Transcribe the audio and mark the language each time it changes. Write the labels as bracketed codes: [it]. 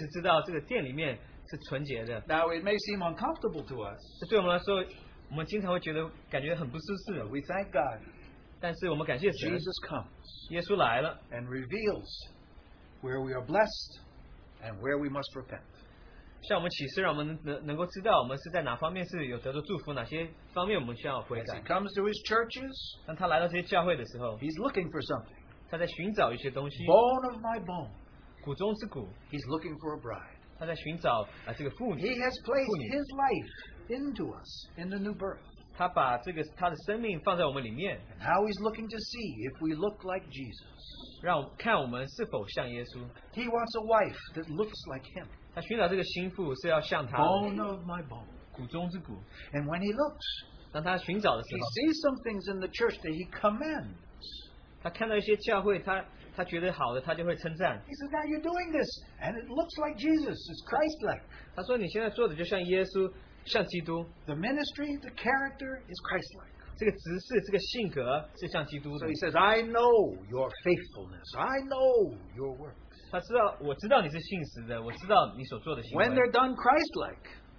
[zh] 这大祭司要确实知道这个殿里面是纯洁的。 [en] Now it may seem uncomfortable to us. [zh] 这对我们来说,我们经常会觉得感觉很不舒适。 [en] We thank God. [zh] 但是我们感谢神, [en] Jesus comes. [zh] 耶稣来了, [en] and reveals where we are blessed and where we must repent. [zh] 像我们启示让我们能够知道我们是在哪方面是有得到祝福, 哪些方面我们需要悔改。 [en] As he comes to his churches, [zh] 当他来到这些教会的时候, [en] he's looking for something. [zh] 他在寻找一些东西, [en] bone of my bone, [zh] 骨中之骨, [en] he's looking for a bride. [zh] 他在寻找, 这个妇女, [en] he has placed [zh] 妇女, [en] his life into us in the new birth. [zh] 他把这个他的生命放在我们里面, [en] and how he's looking to see if we look like Jesus. [zh] 让我们看我们是否像耶稣。 [en] He wants a wife that looks like him. [zh] 他寻找这个心腹是要像他的, [en] bone of my bone, [zh] 骨中之骨。 [en] And when he looks, [zh] 当他寻找的时候, [en] he sees some things in the church that he commends. [zh] 他看到一些教会, 他觉得好的, 他就会称赞。 [en] He says, now you're doing this, and it looks like Jesus, it's Christ-like. [zh] 他说你现在做的就像耶稣, 像基督, [en] the ministry, the character is Christ-like. [zh] 这个姿势,这个性格是像基督的。 [en] So he says, I know your faithfulness. I know your works. [zh] 他知道你是信实的,我知道你所做的行为。 [en] When they're done Christ-like,